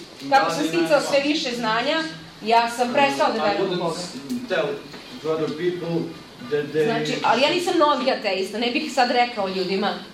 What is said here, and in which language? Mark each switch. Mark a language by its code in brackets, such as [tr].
[sr] Kako sam sticao sve više znanja, ja sam prestao da verujem u Boga. [en] I wouldn't tell to other people that they... [sr] Znači, ali ja nisam novi ateista, ne bih sad rekao ljudima.